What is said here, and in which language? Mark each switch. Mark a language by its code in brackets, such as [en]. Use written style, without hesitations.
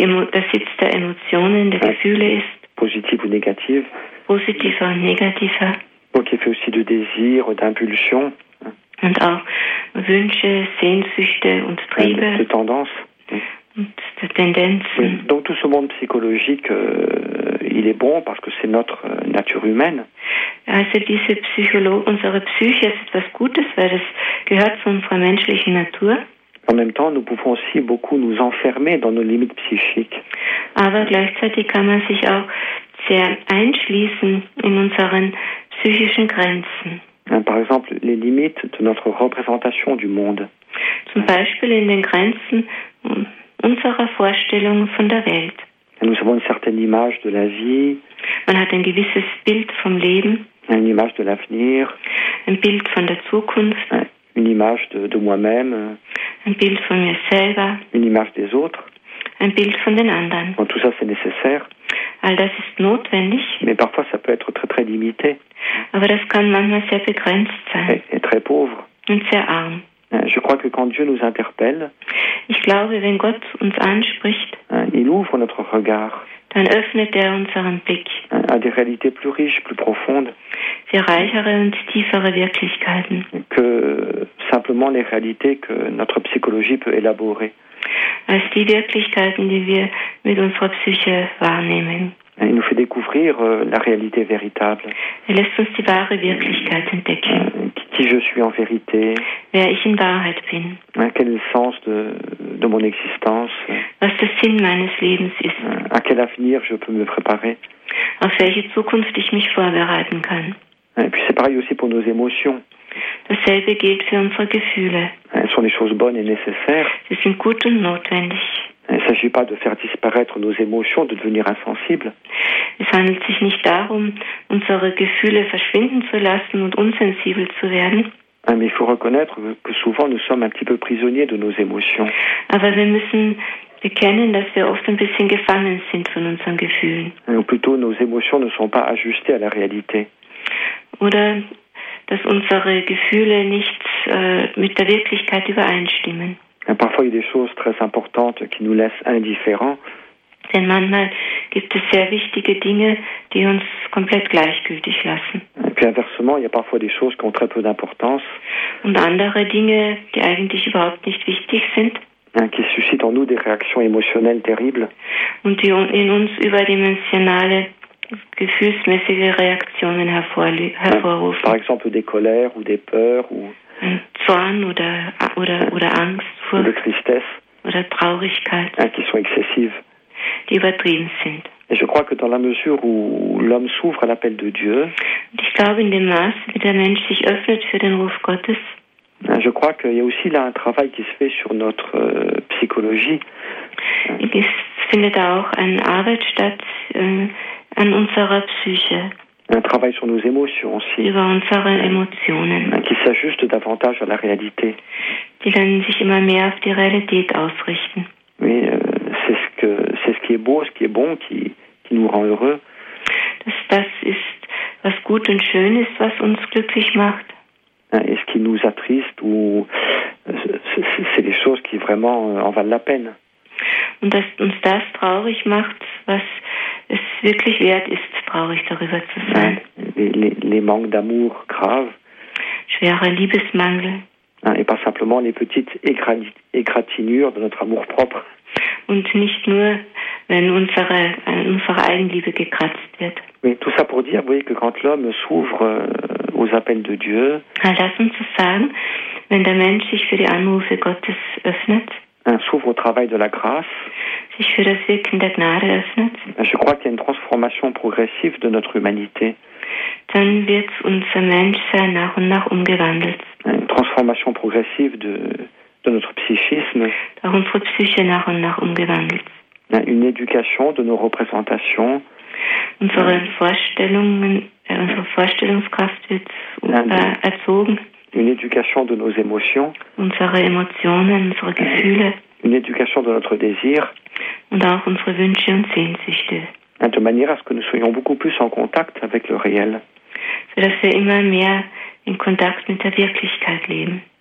[de] Das Sitz der Emotionen, der Gefühle ist. [fr] Positive ou négative. [de] Positiver und negativer. [fr] Qui est fait aussi de désirs, d'impulsions. [de] Und auch Wünsche, Sehnsüchte und Triebe. [fr] De tendances. [de] Und de Tendenzen. [fr] Donc tout ce monde psychologique, il est bon parce que c'est notre nature humaine. [de] Also diese unsere Psyche ist etwas Gutes, weil es gehört zu unserer menschlichen Natur. [fr] En même temps, nous pouvons aussi beaucoup nous enfermer dans nos limites psychiques. [de] Aber gleichzeitig kann man sich auch sehr einschließen in unseren psychischen Grenzen. [fr] Par exemple, les limites de notre représentation du monde. [de] Zum Beispiel in den Grenzen unserer Vorstellung von der Welt. [fr] Nous avons une certaine image de la vie. [de] Man hat ein gewisses Bild vom Leben. [fr] Une image de l'avenir. [de] Ein Bild von der Zukunft. [fr] Une image de moi-même. [de] Ein Bild von mir selber. [fr] Une image des autres. [de] Ein Bild von den anderen. [fr] Bon, tout ça, c'est nécessaire. [de] All das ist notwendig. [fr] Mais parfois, ça peut être très, très limité. [de] Aber das kann manchmal sehr begrenzt sein. [fr] Et très pauvre. [de] Und sehr arm. [fr] Je crois que quand Dieu nous interpelle, [de] ich glaube, wenn Gott uns anspricht, [fr] il ouvre notre regard, [de] dann öffnet er unseren Blick, [fr] à des réalités plus riches, plus profondes, [de] sehr reichere und tiefere Wirklichkeiten, [fr] que simplement les réalités que notre psychologie peut élaborer, [de] als die Wirklichkeiten, die wir mit unserer Psyche wahrnehmen. [fr] Il nous fait découvrir la réalité véritable. [de] Er lässt uns die wahre Wirklichkeit entdecken. [fr] Qui je suis en vérité. [de] Wer ich in Wahrheit bin. [fr] Quel est le sens de mon existence. [de] Was der Sinn meines Lebens ist. [fr] À quel avenir je peux me préparer. [de] Auf welche Zukunft ich mich vorbereiten kann. [fr] Et puis c'est pareil aussi pour nos émotions. [de] Dasselbe gilt für unsere Gefühle. [fr] Ce sont des choses bonnes et nécessaires. [de] Sie sind gut und notwendig. [fr] Il ne s'agit pas de faire disparaître nos émotions, de devenir insensible. [de] Es handelt sich nicht darum, unsere Gefühle verschwinden zu lassen und unsensibel zu werden. [fr] Mais il faut reconnaître que souvent nous sommes un petit peu prisonniers de nos émotions. [de] Aber wir müssen bekennen, dass wir oft ein bisschen gefangen sind von unseren Gefühlen. [fr] Ou plutôt, nos émotions ne sont pas ajustées à la réalité. [de] Oder dass unsere Gefühle nicht mit der Wirklichkeit übereinstimmen. [fr] Parfois, il y a des choses très importantes qui nous laissent indifférents. [de] Denn manchmal gibt es sehr wichtige Dinge, die uns komplett gleichgültig lassen. [fr] Et puis inversement, il y a parfois des choses qui ont très peu d'importance. [de] Und andere Dinge, die eigentlich überhaupt nicht wichtig sind. [fr] Qui suscitent en nous des réactions émotionnelles terribles. [de] Und die in uns überdimensionale, gefühlsmäßige Reaktionen hervorrufen. [fr] Par exemple, des colères ou des peurs ou... [de] Zorn oder Angst vor [fr] de tristesse, [de] oder Traurigkeit, [fr] qui sont excessives, [de] die übertrieben sind. [fr] Et je crois que dans la mesure où l'homme s'ouvre à l'appel de Dieu, [de] und ich glaube, in dem Maß, wie der Mensch sich öffnet für den Ruf Gottes, [fr] je crois qu'il y a aussi là un travail qui se fait sur notre psychologie. [de] Es findet auch eine Arbeit statt an unserer Psyche. [fr] Un travail sur nos émotions aussi. [de] Über unsere Emotionen. [fr] Qui s'ajuste davantage à la réalité. [de] Die dann sich immer mehr auf die Realität ausrichten. [fr] Oui, c'est ce qui est beau, ce qui est bon, qui nous rend heureux. [de] Das ist, was gut und schön ist, was uns glücklich macht. [fr] Et ce qui nous attriste ou c'est les choses qui vraiment en valent la peine. [de] Und dass uns das traurig macht, was es wirklich wert ist, traurig darüber zu sein. [fr] Les manques d'amour graves. [de] Schwere Liebesmangel. [fr] Et pas simplement les petites égratignures de notre amour propre. [de] Und nicht nur, wenn unsere Eigenliebe gekratzt wird. [fr] Mais tout ça pour dire, vous voyez, que quand l'homme s'ouvre aux appels de Dieu. [de] Lass uns zu sagen, wenn der Mensch sich für die Anrufe Gottes öffnet. [fr] S'ouvre au travail de la grâce. [de] Sich für das Wirken der Gnade öffnet. [fr] Je crois qu'il y a une transformation progressive de notre humanité. [de] Dann wird unser Mensch sehr nach und nach umgewandelt. [fr] Une transformation progressive de notre psychisme. [de] Dans unsere Psyche nach und nach umgewandelt. [fr] Une éducation de nos représentations. [de] Unsere Vorstellungen, unsere Vorstellungskraft wird erzogen. [fr] Une éducation de nos émotions. [de] Unsere Emotionen, unsere Gefühle. [fr] Une éducation de notre désir. [de] Und auch unsere Wünsche und Sehnsüchte. [fr] De manière à ce que nous soyons beaucoup plus en contact avec le réel. [de] So dass wir immer mehr in Kontakt mit der Wirklichkeit leben.